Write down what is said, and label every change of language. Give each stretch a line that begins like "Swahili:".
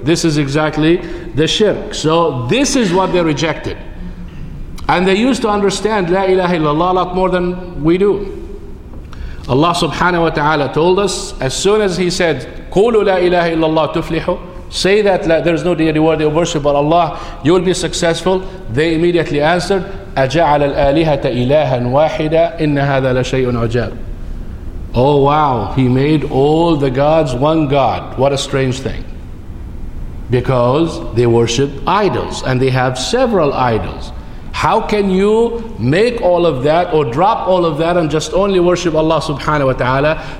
English: This is exactly the shirk. So this is what they rejected. And they used to understand la ilaha illallah a lot more than we do. Allah subhanahu wa ta'ala told us, as soon as he said,
Arabic: قولوا لا إله إلا الله تفلحوا,
English: say that there is no deity worthy of worship but Allah, you will be successful. They immediately answered,
Arabic: أَجَعَلَ الْآلِهَةَ إِلَٰهًا وَاحِدًا إِنَّ هَذَا لَشَيْءٌ عُجَابٌ.
English: Oh wow, he made all the gods one god. What a strange thing. Because they worship idols and they have several idols. How can you make all of that or drop all of that and just only worship Allah subhanahu wa ta'ala?